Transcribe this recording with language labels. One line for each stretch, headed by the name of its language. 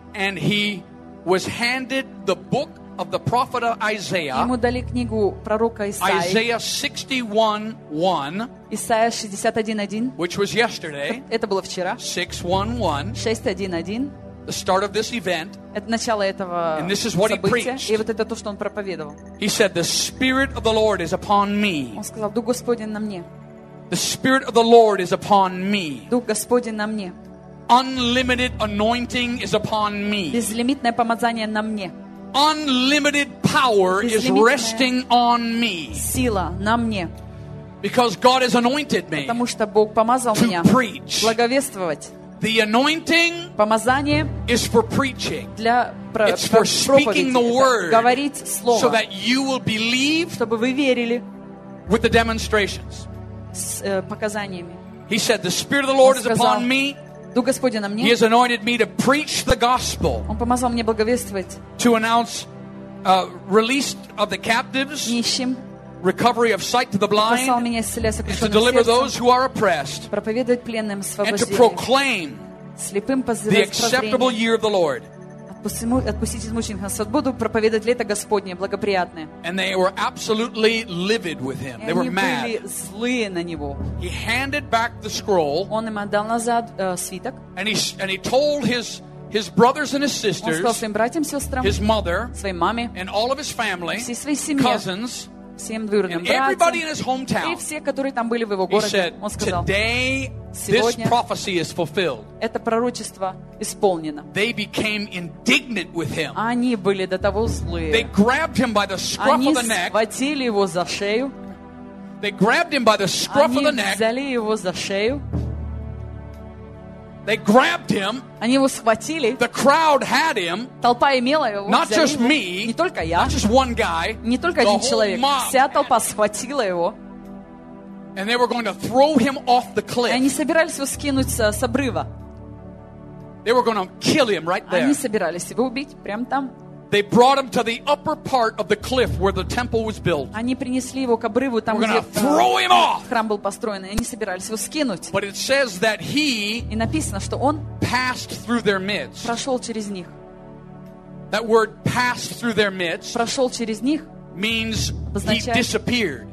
English: And he was handed the book of the prophet Isaiah.
Russian: Ему дали книгу пророка Исаии.
English: Isaiah 61:1.
Russian: Исаия 61:1.
English: Which was yesterday.
Russian: Это было вчера.
English: 6:1:1.
Russian: 6:1:1.
English: The start of this event.
Russian: Это начало этого события.
English: And this is what he preached.
Russian: И вот это то, что он проповедовал.
English: He said, "The Spirit of the Lord is upon me."
Russian: Он сказал: "Дух Господень на мне."
English: The Spirit of the Lord is upon me.
Russian: Дух Господень на мне.
English: Unlimited anointing is upon me.
Russian: Безлимитное помазание на мне.
English: Unlimited power is resting on me.
Russian: Сила на мне.
English: Because God has anointed me.
Russian: Потому что Бог помазал меня.
English: To preach.
Russian: Благовествовать.
English: The anointing
Russian: Помазание
English: is for preaching.
Russian: Для
English: It's for speaking the word.
Russian: Говорить слово.
English: So that you will believe.
Russian: Чтобы вы верили.
English: With the demonstrations.
Russian: С показаниями.
English: He said, "The Spirit of the Lord is upon me."
Russian: Дух Господень на мне.
English: He has anointed me to preach the gospel.
Russian: Он помазал мне благовествовать.
English: To announce release of the captives.
Russian: Нищим.
English: Recovery of sight to the blind.
Russian: Помазал меня исцелять сокрушенных.
English: To deliver those who are oppressed.
Russian: Проповедовать пленным свободу.
English: And to proclaim.
Russian: Слепым позывать.
English: The acceptable year of the Lord.
Russian: Отпустить измученных на свободу, проповедовать лето Господне, благоприятное.
English: And they were absolutely livid with him. They were mad.
Russian: Они были злые на него.
English: He handed back the scroll.
Russian: Он им отдал назад свиток.
English: And he told his brothers and his sisters.
Russian: Он сказал своим братьям, сестрам.
English: His mother.
Russian: Своей маме.
English: And all of his family.
Russian: Всей своей семье.
English: Cousins.
Russian: Всем двоюродным братьям.
English: And everybody in his hometown.
Russian: И все, которые там были в его городе.
English: He said,
Russian: он сказал,
English: today. This prophecy is fulfilled.
Russian: Это пророчество исполнено.
English: They became indignant with him.
Russian: Они были до того злые.
English: They grabbed him by the scruff of the neck.
Russian: Они схватили его за шею.
English: They grabbed him by the scruff of the neck.
Russian: Они взяли его за шею.
English: They grabbed him.
Russian: Они его схватили.
English: The crowd had him.
Russian: Толпа имела его.
English: Not just me.
Russian: Не только я.
English: Not just one guy.
Russian: Не только один человек. Вся толпа схватила его.
English: And they were going to throw him off the cliff.
Russian: Они собирались его скинуть с обрыва.
English: They were going to kill him right there.
Russian: Они собирались его убить прямо там.
English: They brought him to the upper part of the cliff where the temple was built.
Russian: Они принесли его к обрыву там,
English: we're
Russian: где
English: throw him off.
Russian: Храм был построен, и они собирались его скинуть.
English: But it says that he
Russian: и написано, что он
English: passed through their midst.
Russian: Прошел через них.
English: That word passed through their midst.
Russian: Прошел через них.
English: Means he disappeared.